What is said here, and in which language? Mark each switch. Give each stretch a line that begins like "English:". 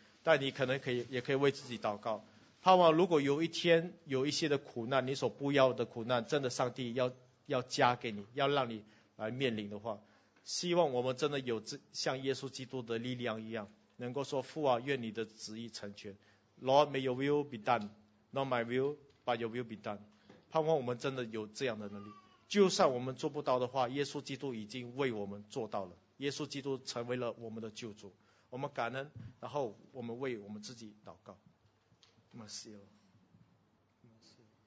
Chinese: 但你可能可以，也可以为自己祷告，盼望如果有一天有一些的苦难，你所不要的苦难，真的上帝要加给你，要让你来面临的话，希望我们真的有像耶稣基督的力量一样，能够说父啊，愿你的旨意成全。
English: Lord, may your will be done, not my will, but your will be done.
Chinese: 盼望我们真的有这样的能力。就算我们做不到的话，耶稣基督已经为我们做到了，耶稣基督成为了我们的救主。我们感恩，然后我们为我们自己祷告。
French: Merci, Lord. Merci.